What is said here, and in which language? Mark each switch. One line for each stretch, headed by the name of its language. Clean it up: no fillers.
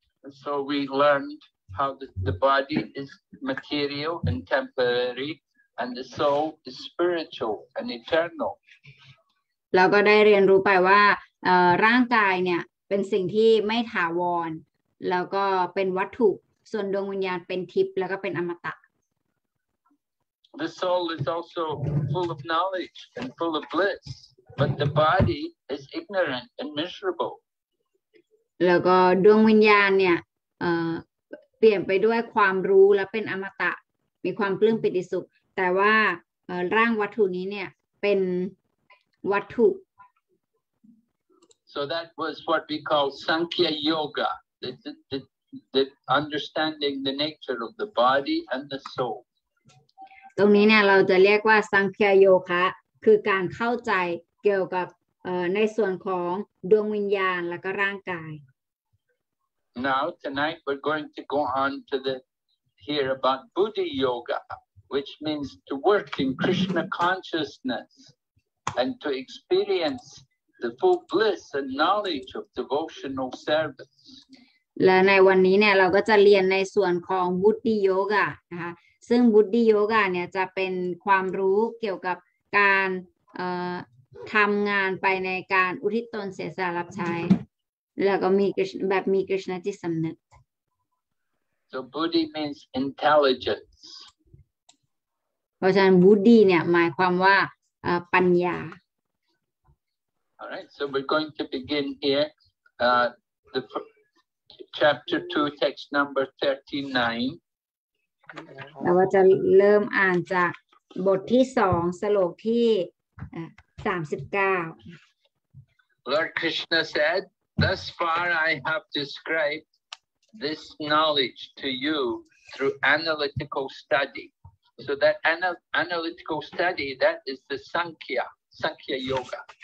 English: So we learned how the body is material and temporary. And the soul is spiritual and eternal.
Thai: เราก็ได้เรียนรู้ไปว่าร่างกายเนี่ยเป็นสิ่งที่ไม่ถาวรแล้วก็เป็นวัตถุส่วนดวงวิญญาณเป็นทิพย์แล้วก็เป็นอมตะ
English: The soul is also full of knowledge and full of bliss, but the body is ignorant and miserable.
Thai: แล้วก็ดวงวิญญาณเนี่ยเปลี่ยนไปด้วยความรู้และเป็นอมตะมีความปลื้มปิติสุขแต่ว่าร่างวัตถุนี้เนี่ยเป็นวัตถุ
English: So that was what we call Sankhya Yoga the understanding the nature of the body and the soul
Thai: ตรงนี้เนี่ยเราจะเรียกว่า Sankhya Yoga คือการเข้าใจเกี่ยวกับในส่วนของดวงวิญญาณแล้วก็ร่างกาย
English: Now tonight we're going to go on to the hear about Buddha YogaWhich means to work in Krishna consciousness and to experience the full bliss and knowledge of devotional service.
Thai: และในวันนี้เนี่ยเราก็จะเรียนในส่วนของบุตติโยกะนะคะซึ่งบุตติโยกะเนี่ยจะเป็นความรู้เกี่ยวกับการทำงานไปในการอุทิศตนเสียสละรับใช้แล้วก็มีแบบมีกฤษณะจิตสำนึก
English: So Buddhi means intelligence.
Thai: เพราะฉะนั้นบูดีเนี่ยหมายความว่าปัญญา
English: All right so we're going to begin here the chapter 2 text number 39
Thai: เราจะเริ่มอ่านจากบทที่2สโลกที่39
English: Lord Krishna said thus far I have described this knowledge to you through analytical study. So that analytical study, that is the Sankhya Yoga.